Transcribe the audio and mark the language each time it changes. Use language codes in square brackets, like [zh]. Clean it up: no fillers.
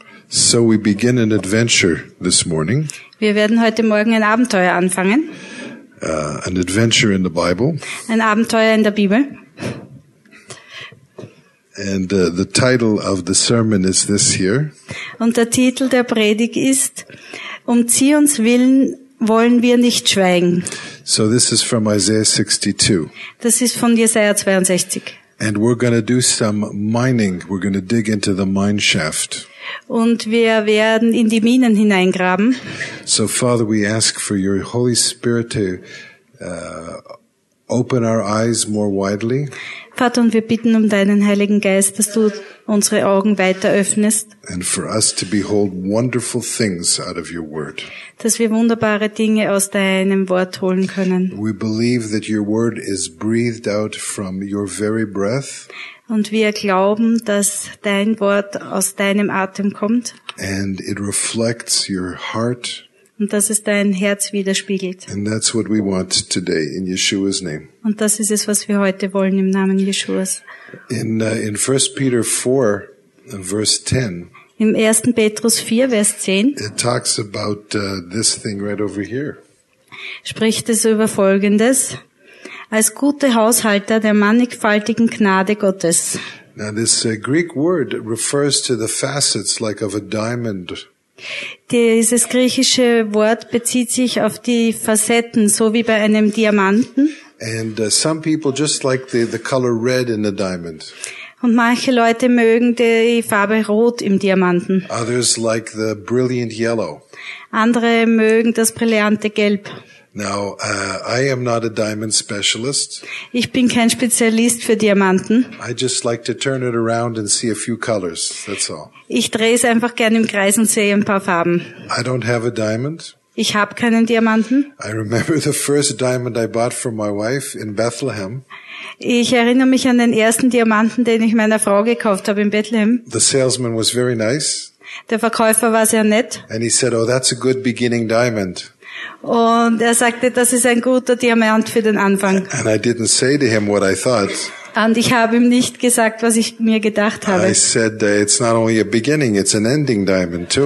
[en] So we begin an adventure this morning. [de] Wir werden heute Morgen ein Abenteuer anfangen. [en] An adventure in the Bible. [de] Ein Abenteuer in der Bibel. [en] And the title of the sermon is this here. [de] Und der Titel der Predigt ist, um Zions Willen wollen wir nicht schweigen. [en] So this is from Isaiah 62. [de] Das ist von Jesaja 62. [en] And we're going to do some mining. We're going to dig into the mine shaft. [de] Und wir werden in die Minen hineingraben. [en] So Father, we ask for your Holy Spirit to open our eyes more widely. [de] Vater, und wir bitten um deinen Heiligen Geist, dass du unsere Augen weiter öffnest. [en] And for us to behold wonderful things out of your word. [de] Dass wir wunderbare Dinge aus deinem Wort holen können. [en] We believe that your word is breathed out from your very breath. [de] Und wir glauben, dass dein Wort aus deinem Atem kommt. [en] And it reflects your heart. [de] Und dass es dein Herz widerspiegelt. [en] And that's what we want today in Yeshua's name. [de] Und das ist es, was wir heute wollen im Namen Yeshuas. [en] In 1. Peter 4, verse 10. [de] Im 1. Petrus 4, Vers 10. [en] It talks about this thing right over here. [de] Spricht es über Folgendes. Als gute Haushalter der mannigfaltigen Gnade Gottes. [en] Now this Greek word refers to the facets like of a diamond. [de] Dieses griechische Wort bezieht sich auf die Facetten, so wie bei einem Diamanten. [en] And some people just like the color red in a diamond. [de] Und manche Leute mögen die Farbe Rot im Diamanten. [en] Others like the brilliant yellow. [de] Andere mögen das brillante Gelb. [en] Now, I am not a diamond specialist. [de] Ich bin kein Spezialist für Diamanten. [en] I just like to turn it around and see a few colors. That's all. [de] Ich drehe es einfach gerne im Kreis und sehe ein paar Farben. [en] I don't have a diamond. [de] Ich habe keinen Diamanten. [en] I remember the first diamond I bought for my wife in Bethlehem. [de] Ich erinnere mich an den ersten Diamanten, den ich meiner Frau gekauft habe in Bethlehem. [en] The salesman was very nice. [de] Der Verkäufer war sehr nett. [en] And he said, "Oh, that's a good beginning diamond." [de] Und er sagte, das ist ein guter Diamant für den Anfang. [en] And I didn't say to him what I thought. [de] Und ich habe ihm nicht gesagt, was ich mir gedacht habe. [en] I said, it's not only a beginning, it's an ending diamond too.